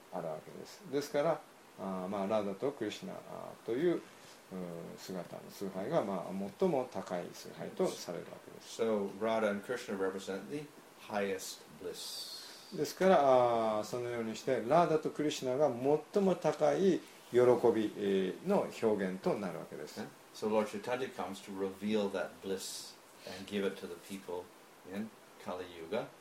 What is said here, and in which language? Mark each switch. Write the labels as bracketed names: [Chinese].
[Japanese] あるわけです。ですから、まあ、ラダとクリシナという姿の崇拝が、まあ、最も高い崇拝とされるわけです。 [English] So, Radha and Krishna represent the highest bliss. [Japanese] ですから、そのようにしてラダとクリシナが最も高い喜びの表現となるわけです。 [English] So, Lord Chaitanya comes to reveal that bliss and give it to the people in Kali Yuga.